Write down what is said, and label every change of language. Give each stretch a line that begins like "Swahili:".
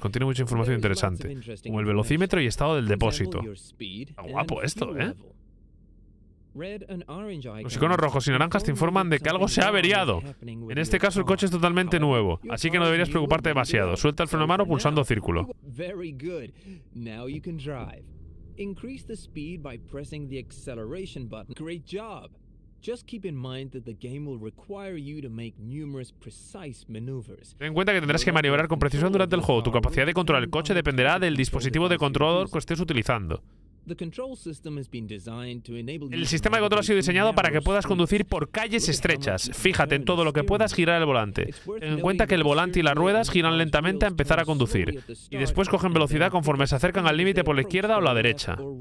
Spanish: Contiene mucha información interesante, como el velocímetro y estado del depósito. Está guapo esto, ¿eh? Los iconos rojos y naranjas te informan de que algo se ha averiado. En este caso, el coche es totalmente nuevo, así que no deberías preocuparte demasiado. Suelta el freno a mano pulsando círculo.
English: Very good. Now you can drive. Increase the speed by pressing the acceleration button. Great job. Just keep in mind that the game will require you to make numerous precise maneuvers.
Spanish: Ten en cuenta que tendrás que maniobrar con precisión durante el juego. Tu capacidad de controlar el coche dependerá del dispositivo de control que estés utilizando. El sistema de control ha sido diseñado para que puedas conducir por calles estrechas. Fíjate en todo lo que puedas girar el volante. Ten en cuenta que el volante y las ruedas giran lentamente a empezar a conducir, y después cogen velocidad conforme se acercan al límite por la izquierda o la derecha.